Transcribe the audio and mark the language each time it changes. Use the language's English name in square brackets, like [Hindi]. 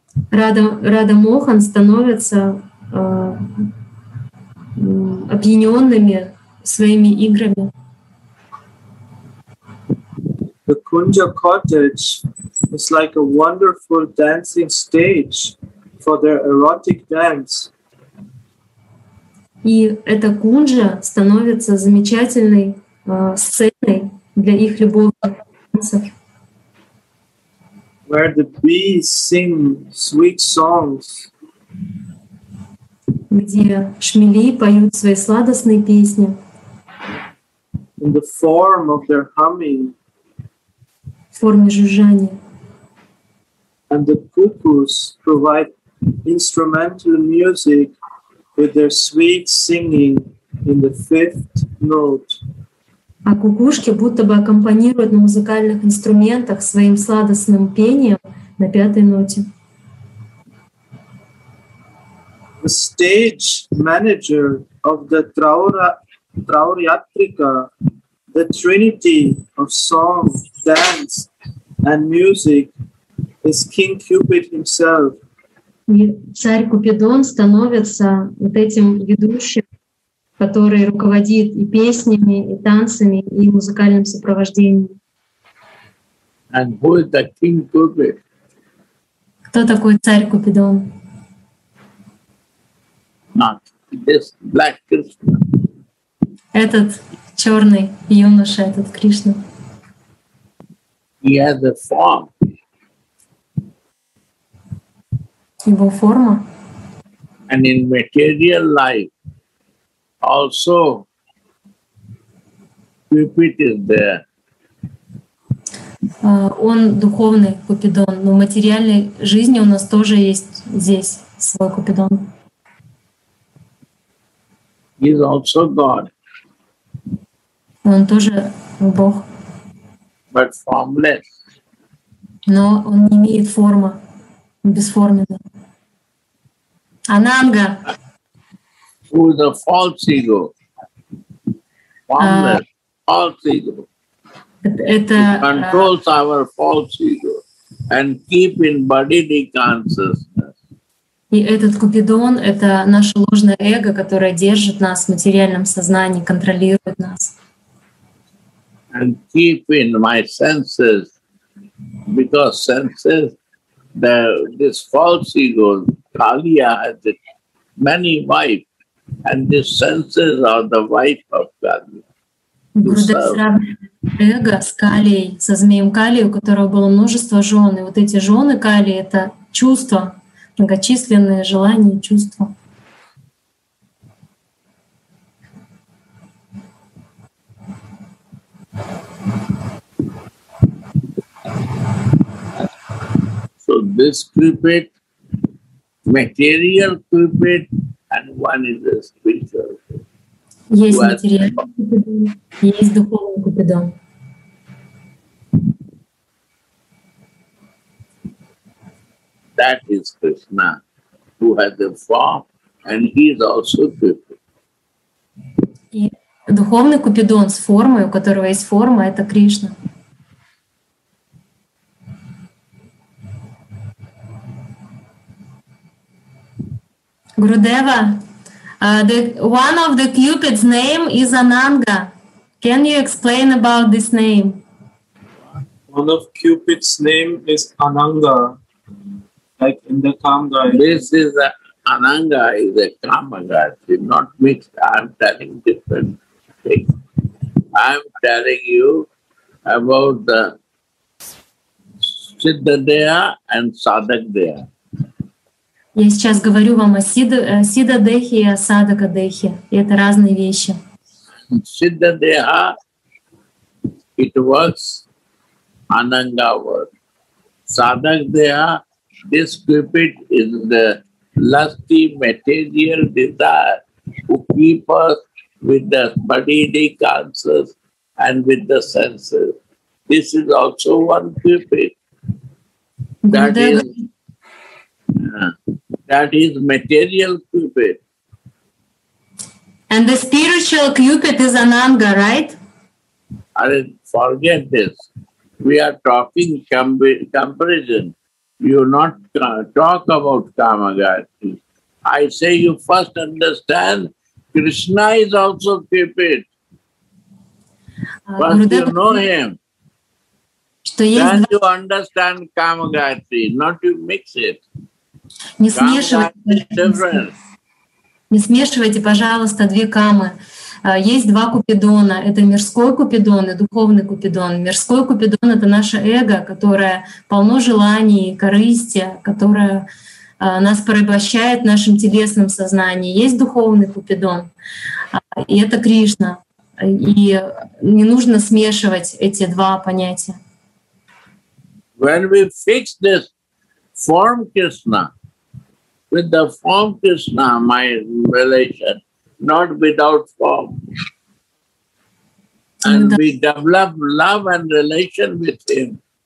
[Russian] Radha Mohan становится объединенными своими играми. [English] The Kunja cottage is like a wonderful dancing stage for their erotic dance. [Russian] И эта кунжа становится замечательной сценой для их любовников. [English] Where the bees sing sweet songs. [Russian] Где шмели поют свои сладостные песни. [English] In the form of their humming. [Russian] В форме жужжания. [English] And the cuckoos provide instrumental music with their sweet singing in the fifth note. [Russian] А кукушки будто бы аккомпанируют на музыкальных инструментах своим сладостным пением на пятой ноте. [English] The stage manager of the Trauryatrika, the trinity of song, dance and music, is King Cupid himself. [Russian] И царь Купидон становится вот этим ведущим, который руководит и песнями, и танцами, и музыкальным сопровождением. [English] And who is the King Cupid? [Russian] Кто такой царь Купидон? [English] Not this black Krishna. [Russian] Этот черный юноша, этот Кришна. [English] He has a form. [Russian] Его форма. [English] And in material life also Cupid is there. [Russian] Он духовный Купидон, но в материальной жизни у нас тоже есть здесь свой Купидон. [English] He is also God. [Russian] Он тоже Бог. [English] But formless. [Russian] Но он не имеет формы, бесформенный. Ананга. [English] Who is a false ego? False ego. [Russian] Это [English] controls our false ego and keep in bodily consciousness. [Russian] И этот Купидон — это наше ложное эго, которое держит нас в материальном сознании, контролирует нас. [English] And keep in my senses, because senses, the this false ego, Kaliya, has it. Many wife and the senses are the wife of Kali. [Russian] Эго с Калией, со змеем Калией, у которого было множество жен. И вот эти жены Калии — это чувства, многочисленные желания, чувства. [English] So this Cupid, material Cupid, and one is a spiritual. [Russian] Есть материальный Купидон, есть духовный Купидон. [English] That is Krishna, who has the form, and he is also Cupid. [Russian] И Духовный купидон с формой, у которого есть форма, это Кришна. [English] Гурудева, the one of the Cupid's name is Ananga. Can you explain about this name? One of Cupid's name is Ananga, like in the Kamga. This is a, Ananga is a Kama god. Do not mix. I'm telling different things. I'm telling you about the Siddhadeya and Sadakdeya. [Russian] Я сейчас говорю вам о Сиддхадехе и о Садакадехе. Это разные вещи. [English] Сиддхадеха, it works, Ананга works. Садакадеха, this cupid is the lusty material desire who keep us with the bodily cancers and with the senses. This is also one cupid. That is... That is material Cupid. And the spiritual Cupid is Ananga, right? I didn't forget this. We are talking comparison. You not talk about Kamagati. I say you first understand Krishna is also Cupid. First you know him. Then you understand Kamagati, not you mix it. [Russian] Не смешивайте, пожалуйста, две камы. Есть два купидона. Это мирской купидон и духовный купидон. Мирской купидон — это наше эго, которое полно желаний, корысти, которое нас порабощает нашим телесным сознанием. Есть духовный купидон, и это Кришна. И не нужно смешивать эти два понятия. [English] When we fix this form Krishna, with the form Krishna, my relation, not without form. And we develop love and relation with him.